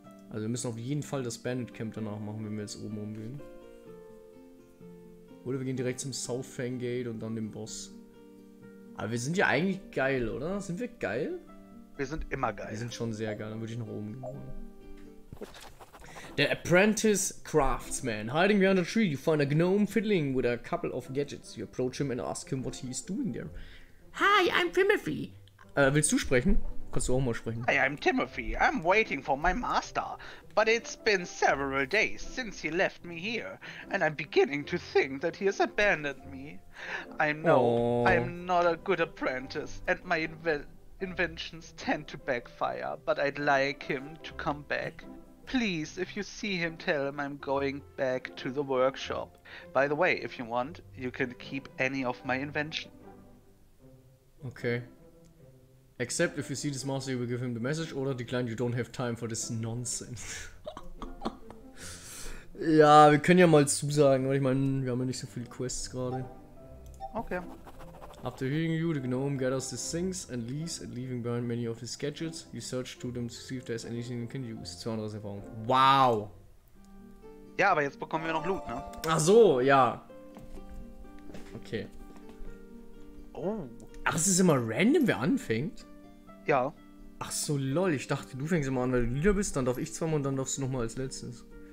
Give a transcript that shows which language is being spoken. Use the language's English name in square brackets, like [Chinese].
[German] Also wir müssen auf jeden Fall das Bandit Camp danach machen, wenn wir jetzt oben umgehen. Oder wir gehen direkt zum South Fang Gate und dann dem Boss. Aber wir sind ja eigentlich geil, oder? Sind wir geil? Wir sind immer geil. Wir sind schon sehr geil, dann würde ich nach oben gehen. Der Apprentice Craftsman. [English] Hiding behind a tree, you find a gnome fiddling with a couple of gadgets. You approach him and ask him what he is doing there. Hi, I'm Timothy. [German] Willst du sprechen? Kannst du auch mal sprechen? [English] Hey, I'm Timothy. I'm waiting for my master. But it's been several days since he left me here. And I'm beginning to think that he has abandoned me. I know I'm not a good apprentice. And my inventions tend to backfire. But I'd like him to come back. Please, if you see him, tell him I'm going back to the workshop. By the way, if you want, you can keep any of my inventions. Okay. Except if you see this master, you will give him the message or decline, you don't have time for this nonsense. [German] Ja, wir können ja mal zusagen, weil ich meine, wir haben ja nicht so viele Quests gerade. Okay. [English] After hearing you, the gnome gathers the things and leaves and leaving behind many of his gadgets. You search to them to see if there's anything you can use. [German] 200 Erfahrung. Wow! Ja, aber jetzt bekommen wir noch Loot, ne? Ach so, ja. Okay. Oh. Ach, es ist immer random, wer anfängt? Ja. Ach so, lol, ich dachte, du fängst immer an, weil du Leader bist, dann darf ich zweimal und dann darfst du nochmal als letztes.